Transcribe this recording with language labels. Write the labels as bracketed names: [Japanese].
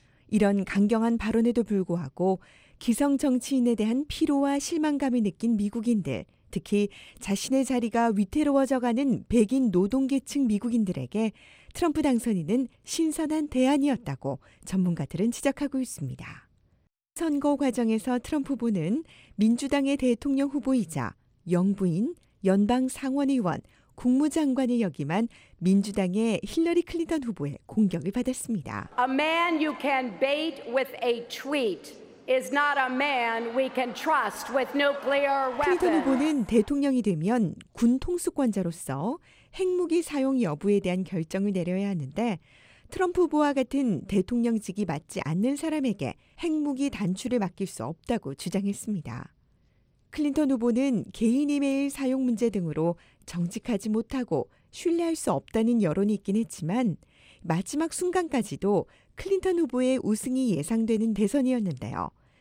[Korean] 이런 강경한 발언에도 불구하고 기성 정치인에 대한 피로와 실망감을 느낀 미국인들, 특히 자신의 자리가 위태로워져가는 백인 노동계층 미국인들에게 트럼프 당선인은 신선한 대안이었다고 전문가들은 지적하고 있습니다. 선거 과정에서 트럼프 후보는 민주당의 대통령 후보이자 영부인, 연방 상원의원, 국무장관을 역임한 민주당의 힐러리 클린턴 후보의 공격을 받았습니다. [English] A man you can bait with a tweet. is not a man we can trust with nuclear weapons. [Korean] 클린턴 후보는 대통령이 되면 군 통수권자로서 핵무기 사용 여부에 대한 결정을 내려야 하는데 트럼프 후보와 같은 대통령직이 맞지 않는 사람에게 핵무기 단추를 맡길 수 없다고 주장했습니다. 클린턴 후보는 개인 이메일 사용 문제 등으로 정직하지 못하고 신뢰할 수 없다는 여론이 있긴 했지만 마지막 순간까지도 클린턴 후보의 우승이 예상되는 대선이었는데요.